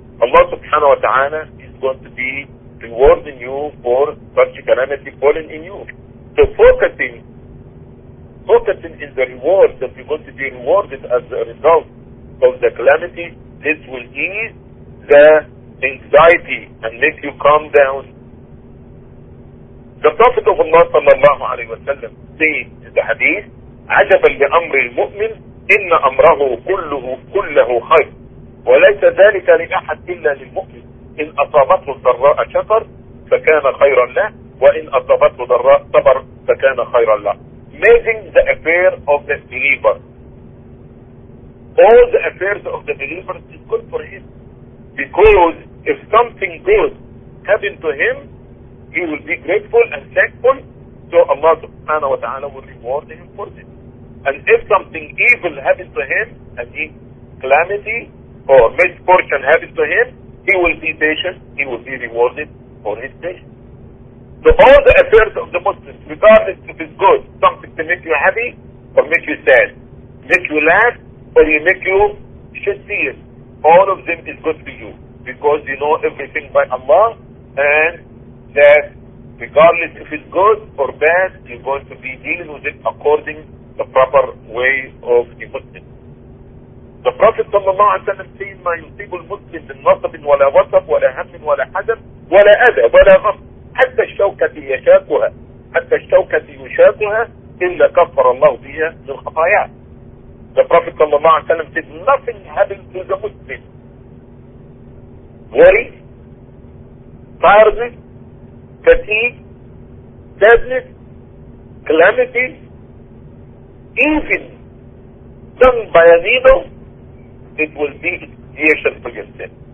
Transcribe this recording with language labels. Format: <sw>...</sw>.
<en>Allah subhanahu wa ta'ala is going to be rewarding you for such a calamity falling in you. So focusing in the reward, that you're going to be rewarded as a result of the calamity, this will ease the anxiety and make you calm down. The Prophet of Allah sallallahu alayhi wa sallam said in the hadith,</en> <ar>عَجَبًا لِأَمْرِ الْمُؤْمِنِ إِنَّ أَمْرَهُ كُلَّهُ خَيْرٌ وَلَيْسَ ذَلِكَ لِأَحَدٍ إِلَّا لِلْمُؤْمِنِ إِنْ أَصَابَتْهُ ضَرَّاءُ شَكَرَ فَكَانَ خَيْرًا لَهُ وَإِنْ أَصَابَتْهُ ضَرَّاءُ صَبَرَ فَكَانَ خَيْرًا لَهُ.</ar> <en>Amazing the affair of the believer. All the affairs of the believer is good for him. Because if something good happened to him, he will be grateful and thankful, so Allah subhanahu wa ta'ala will reward him for this. And if something evil happened to him, and he calamity or misfortune happened to him, he will be patient, he will be rewarded for his patience. So all the affairs of the Muslims, regardless if it's good, something to make you happy or make you sad, make you laugh or you make you should see it, all of them is good to you, because you know everything by Allah, and that regardless if it's good or bad, you're going to be dealing with it according to the proper way of the Muslim. The Prophet sallallahu alayhi wa sallam said,</en> <ar>ما يصيب المسلم من نصب ولا وصب ولا هم ولا حزن ولا أذى ولا غم حتى الشوكة يشاكها حتى الشوكة يشاكها إلا كفر الله بها من خطاياه.</ar> <en>The Prophet sallallahu alayhi wa sallam said, nothing happened to the Muslim. Worry, tiredness, fatigue, sadness, calamity, even done by a needle, it will be expiation for your sin.</en>